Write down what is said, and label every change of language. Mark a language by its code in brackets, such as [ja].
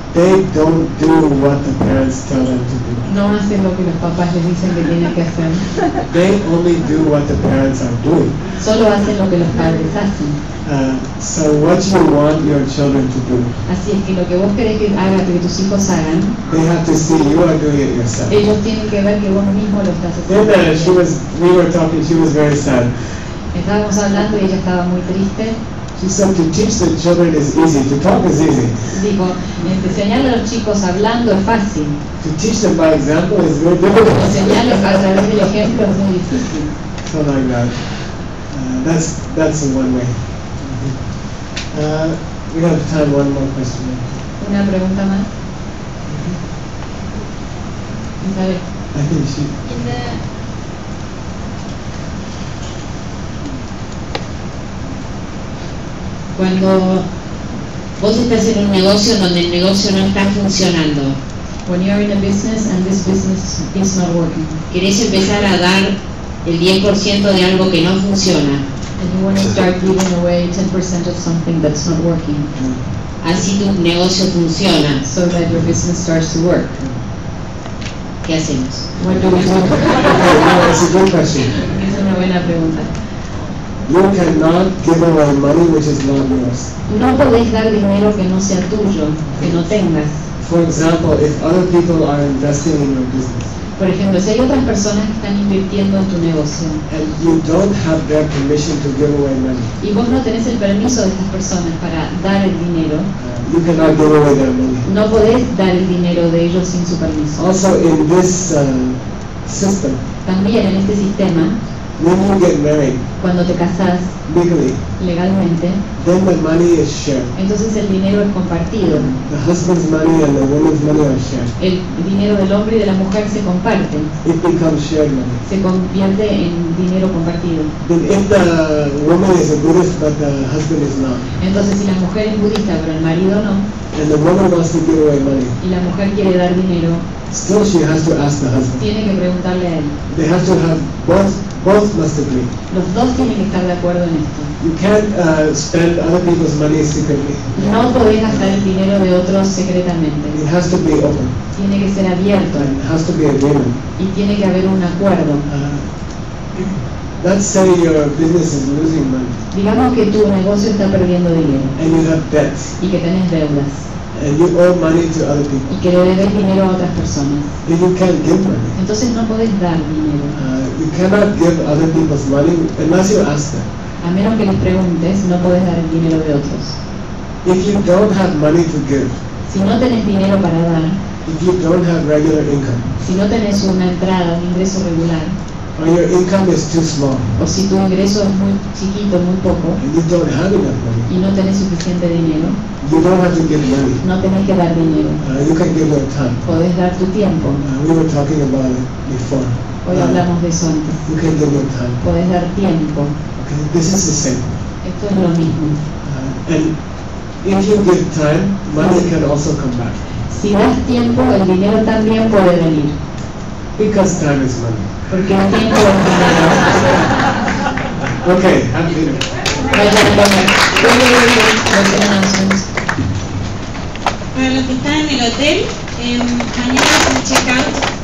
[en] They don't do what the parents tell them to do. [es] No hacen lo que los papás les dicen que tienen que hacer. [en] They only do what the parents are doing. [es] Solo hacen lo que los padres hacen. [en] So what you want your children to do? [es] Así es que lo que vos querés que haga que tus hijos hagan. [en] They have to see you are doing it yourself. [es] Ellos tienen que ver que vos mismo lo estás haciendo. [en] Then we were talking. She was very sad. [es] Estábamos hablando y ella estaba muy triste. [en] She said to teach the children is easy. To talk is easy. [es] Digo, enseñarle a los chicos hablando es fácil. [en] To teach them by example is very difficult. [es] Enseñarles a través del ejemplo es muy difícil. [en] Something like that. That's one way. We have time one more question. [es] Una pregunta más. Mm-hmm. Isabel. [en] I think she. [es] Cuando vos estás en un negocio donde el negocio no está funcionando. [en] When you're in a business and this business is not working. [es] Querés empezar a dar el 10% de algo que no funciona. [en] And you want to start giving away 10% of something that's not working. [es] Así tu negocio funciona. [en] So that your business starts to work. [es] ¿Qué hacemos? [en] What do we do? That's a good question. [es] Es una buena pregunta. [en] You cannot give away money which is not yours. [es] No podés dar dinero que no sea tuyo, que no tengas. [en] For example, if other people are investing in your business. [es] Por ejemplo, si hay otras personas que están invirtiendo en tu negocio. [en] And you don't have their permission to give away money. [es] Y vos no tenés el permiso de estas personas para dar el dinero. [en] You cannot give away their money. [es] No podés dar el dinero de ellos sin su permiso. [en] Also in this system. [es] También en este sistema. [en] When you get married, [es] cuando te casas [en] legally, [es] legalmente, [en] then the money is shared. [es] Entonces el dinero es compartido. [en] The husband's money and the woman's money are shared. [es] El dinero del hombre y de la mujer se comparte. [en] It becomes shared money. [es] Se convierte en dinero compartido. [en] Then if the woman is a Buddhist but the husband is not. [es] Entonces si la mujer es budista pero el marido no. [en] And the woman wants to give away money. [es] Y la mujer quiere dar dinero. [en] Still she has to ask the husband. [es] Tiene que preguntarle a él. [en] They have to have both must agree. [es] Los dos tienen que estar de acuerdo en esto. [en] You can't spend other people's money secretly. [es] No podés gastar el dinero de otros secretamente. [en] It has to be open. [es] Tiene que ser abierto. [en] And it has to be agreement. [es] Y tiene que haber un acuerdo. [en] Let's say your business is losing money. [es] Digamos que tu negocio está perdiendo dinero. [en] And you have debts. [es] Y que tenés deudas. [en] And you owe money to other people. [es] Y que le debes dinero a otras personas. [en] Then you can't give money. [es] Entonces no puedes dar dinero. [en] You cannot give other people's money unless you ask them. [es] A menos que les preguntes, no puedes dar el dinero de otros. [en] If you don't have money to give. [es] Si no tenés dinero para dar. [en] If you don't have regular income. [es] Si no tenés una entrada, un ingreso regular. [en] Or your income is too small. [es] O si tu ingreso es muy chiquito, muy poco. [en] And you don't have enough money. [es] Y no tenés suficiente dinero. [en] You don't have to give money. [es] No tenés que dar dinero. [en] You can give your time. [es] Podés dar tu tiempo. [en] We were talking about it before. [es] Hoy hablamos de eso antes. [en] You can give your time. [es] Podés dar tiempo. [en] Okay, this is the same. [es] Esto es lo mismo. [en] And if you give time, money can also come back. [es] Si das tiempo, el dinero también puede venir. [en] Because time is money. [es] Porque el tiempo es dinero. [en] Okay, I'm here. [es] Para los que están en el hotel, mañana es el check-out.